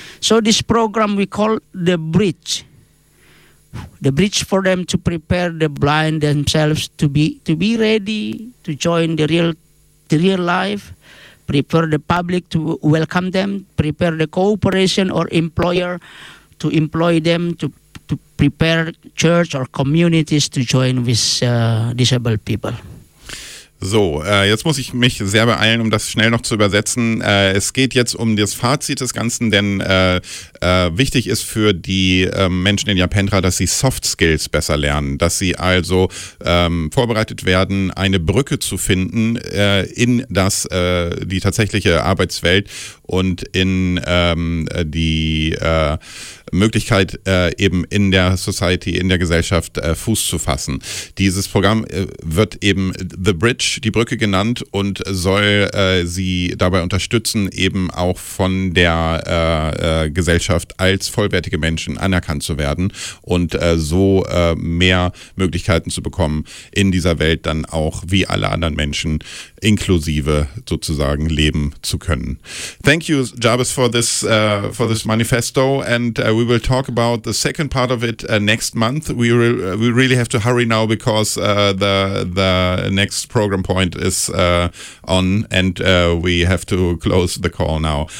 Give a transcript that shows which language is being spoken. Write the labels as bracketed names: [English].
[English] So this program we call the bridge for them to prepare the blind themselves to be ready to join the real life, prepare the public to welcome them, prepare the cooperation or employer to employ them, to prepare church or communities to join with disabled people. [German] So, jetzt muss ich mich sehr beeilen, um das schnell noch zu übersetzen. Es geht jetzt um das Fazit des Ganzen, denn wichtig ist für die Menschen in Japentra, dass sie Soft Skills besser lernen, dass sie also vorbereitet werden, eine Brücke zu finden in das die tatsächliche Arbeitswelt und in die Möglichkeit, eben in der Society, in der Gesellschaft Fuß zu fassen. Dieses Programm wird eben The Bridge, die Brücke genannt, und soll sie dabei unterstützen, eben auch von der Gesellschaft als vollwertige Menschen anerkannt zu werden und so mehr Möglichkeiten zu bekommen, in dieser Welt dann auch wie alle anderen Menschen inklusive sozusagen leben zu können. [English] Thank you, Jarvis, for this manifesto, and we will talk about the second part of it next month. We really have to hurry now, because the next program point is on, and we have to close the call now.